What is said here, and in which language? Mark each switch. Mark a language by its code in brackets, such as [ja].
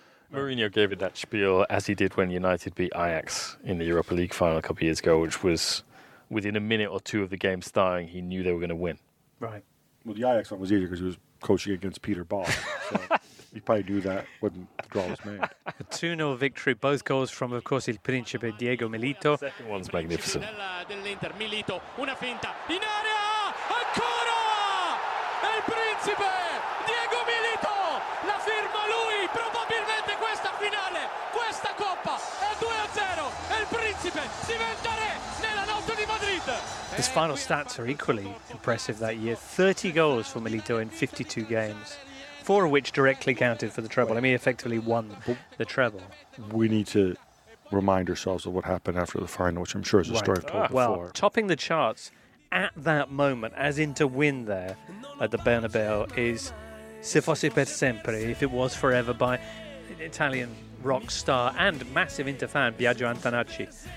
[en] Mourinho gave it that spiel, as he did when United beat Ajax in the Europa League final a couple of years ago, which was within a minute or two of the game starting, he knew they were going to win. Right. Well, the Ajax one was easier because he was coaching against Peter Bosz. So he probably knew that when the draw was made. A 2-0 victory, both goals from, of course, Il Principe Diego Milito. The second one's magnificent. [it] Milito, una finta, in area, ancora! Il Principe! Diego Milito! La firma lui! Probabilmente questa finale, questa coppa, è 2-0! Il Principe diventa re nella notte di Madrid! [en] His final stats are equally impressive that year. 30 goals for Milito in 52 games, four of which directly counted for the treble. I mean, he effectively won the treble. We need to remind ourselves of what happened after the final, which I'm sure is a story I've told before. Well, topping the charts at that moment, as Inter win there at the Bernabeu, is Se Fosse Per Sempre, If It Was Forever, by Italian rock star and massive Inter fan Biagio Antonacci.